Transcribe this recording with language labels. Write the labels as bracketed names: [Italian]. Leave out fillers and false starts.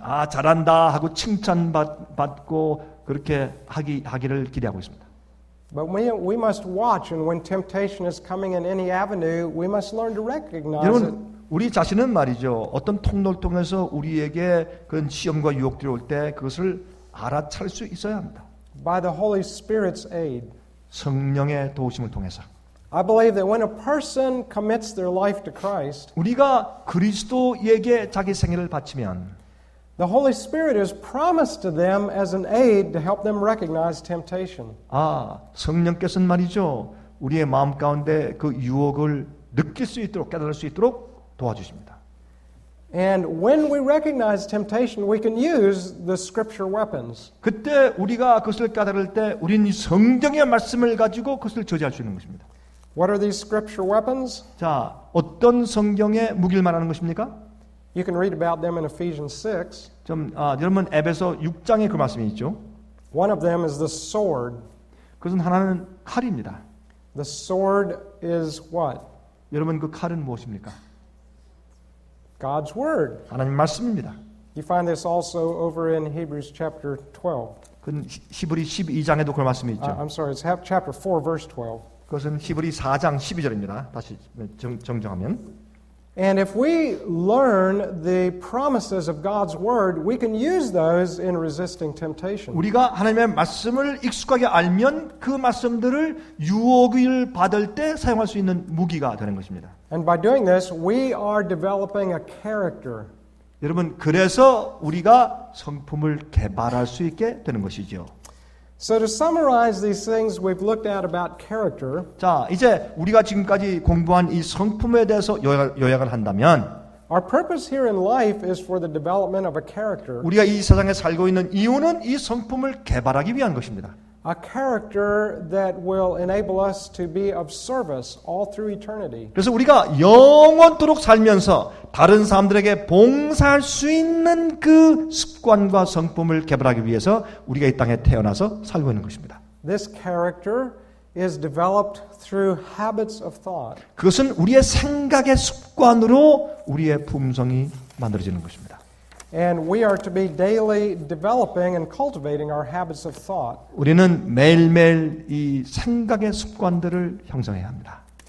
[Korean] 잘한다 하고 칭찬받고 그렇게 하기를 기대하고 있습니다. [English] But we must watch, and when temptation is coming in any avenue, we must learn to recognize it. [Korean] 여러분, 우리 자신은 말이죠. 어떤 통로를 통해서 우리에게 그런 시험과 유혹들이 올 때 그것을 알아챌 수 있어야 합니다. [English] By the Holy Spirit's aid. [Korean] 성령의 도우심을 통해서. [English] I believe that when a person commits their life to Christ, [Korean] 우리가 그리스도에게 자기 생애를 바치면. [English] The Holy Spirit is promised to them as an aid to help them recognize temptation. [Korean] 아, 성령께서는 말이죠. 우리의 마음 가운데 그 유혹을 느낄 수 있도록 깨달을 수 있도록 도와주십니다. [English] And when we recognize temptation, we can use the scripture weapons. [Korean] 그때 우리가 그것을 깨달을 때 우리는 성경의 말씀을 가지고 그것을 저지할 수 있는 것입니다. [English] What are these scripture weapons? [Korean] 자, 어떤 성경의 무기를 말하는 것입니까? [English] You can read about them in Ephesians 6. [Korean] 좀 여러분 에베소 6장에 그 말씀이 있죠. [English] One of them is the sword. [Korean] 그것은 하나는 칼입니다. [English] The sword is what? [Korean] 여러분 그 칼은 무엇입니까? [English] God's word. [Korean] 하나님 말씀입니다. [English] You find this also over in Hebrews chapter 12. [Korean] 그 히브리 12장에도 그 말씀이 있죠. [English] I'm sorry, it's chapter 4 verse 12. [Korean] 그것은 히브리 4장 12절입니다. 다시 정정하면 [English] And if we learn the promises of God's word, we can use those in resisting temptation. [Korean] 우리가 하나님의 말씀을 익숙하게 알면 그 말씀들을 유혹을 받을 때 사용할 수 있는 무기가 되는 것입니다. [English] And by doing this, we are developing a character. [Korean] 여러분, 그래서 우리가 성품을 개발할 수 있게 되는 것이죠. [English] So to summarize these things we've looked at about character. [Korean] 자, 이제 우리가 지금까지 공부한 이 성품에 대해서 요약을 한다면 [English] Our purpose here in life is for the development of a character. [Korean] 우리가 이 세상에 살고 있는 이유는 이 성품을 개발하기 위한 것입니다. [English] A character that will enable us to be of service all through eternity. [Korean] 그래서 우리가 영원토록 살면서 다른 사람들에게 봉사할 수 있는 그 습관과 성품을 개발하기 위해서 우리가 이 땅에 태어나서 살고 있는 것입니다. [English] This character is developed through habits of thought. [Korean] 그것은 우리의 생각의 습관으로 우리의 품성이 만들어지는 것입니다. [English] And we are to be daily developing and cultivating our habits of thought. [Korean] 우리는 매일매일 이 생각의 습관들을 형성해야 합니다.